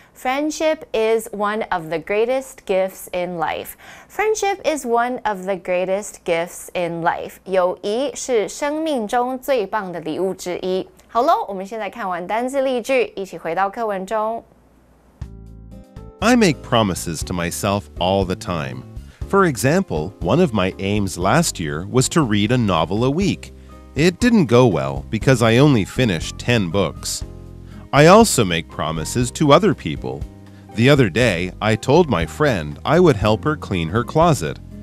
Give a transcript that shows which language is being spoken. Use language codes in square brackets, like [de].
[en] Friendship is one of the greatest gifts in life. Friendship is one of the greatest gifts in life. [zh] 友谊是生命中最棒的礼物之一。好咯，我们现在看完单字例句，一起回到课文中。 [en] I make promises to myself all the time. For example, one of my aims last year was to read a novel a week. It didn't go well because I only finished 10 books. I also make promises to other people. The other day, I told my friend I would help her clean her closet.